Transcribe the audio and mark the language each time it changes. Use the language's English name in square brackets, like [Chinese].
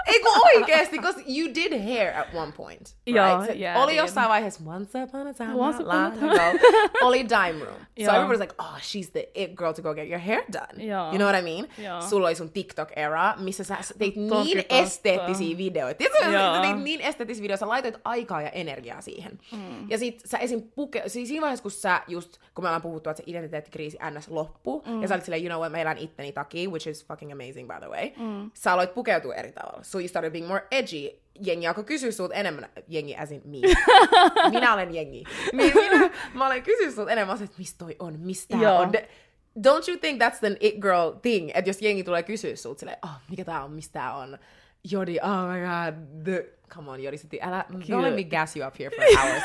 [Finnish] Eiku oikeesti, [English] because you did hair at one point. [Finnish] Joo, [English] right? Yeah. [Finnish] Oli jossain vaiheessa, [English] once upon a time, once upon a time. [Finnish] Oli dime room. [English] So everybody's like, oh, she's the it girl to go get your hair done. [Finnish] Joo. [English] You know what I mean? [Finnish] Joo. Sulla oli sun TikTok era, missä sä teit niin esteettisiä videoita. Tiedätkö, sä teit niin esteettisiä videoita, sä laitoit aikaa ja energiaa siihen. Ja sit sä esim. Siinä vaiheessa, kun sä just, kun me ollaan puhuttu, että se identiteettikriisi ns. Loppu, ja sä olit silleen, [English] you know what, [Finnish] mä elän itteni takia, [English] which is fucking amazing by the way. [Finnish] Sä aloit pukeutua eri tavalla. [English] So you started being more edgy. [Finnish] Jengi alkoi kysyä sut enemmän. Jengi [English] as in me. [Finnish] Minä olen jengi. Mä olen kysynyt sut enemmän, että mistä toi on, mistä on. [English] Don't you think that's the it girl thing? [Finnish] Että jos jengi tulee kysyä sut, silleen, oh, mikä tää on, mistä on. [English] Jodi, oh my god, the... Come on, Jodi, don't let me gas you up here for hours.